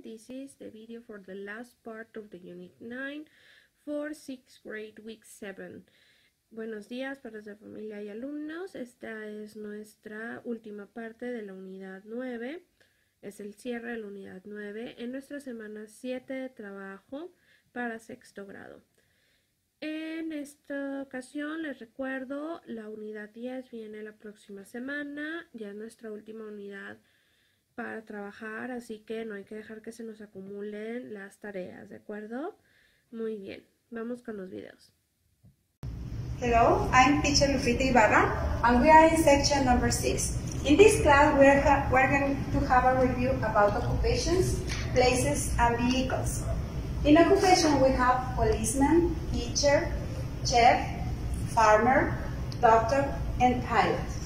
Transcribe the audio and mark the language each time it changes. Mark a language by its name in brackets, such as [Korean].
[English] This is the video for the last part of the unit 9 for 6th grade, week 7. [Spanish] Buenos días, padres de familia y alumnos. Esta es nuestra última parte de la unidad 9. Es el cierre de la unidad 9 en nuestra semana 7 de trabajo para sexto grado. En esta ocasión, les recuerdo, la unidad 10 viene la próxima semana. Ya es nuestra última unidad para trabajar, así que no hay que dejar que se nos acumulen las tareas, ¿de acuerdo? Muy bien, vamos con los videos. [English] Hello, I'm teacher Lupita Ibarra, and we are in section number 6. In this class, we're going to have a review about occupations, places, and vehicles. In occupation, we have policeman, teacher, chef, farmer, doctor, and pilot.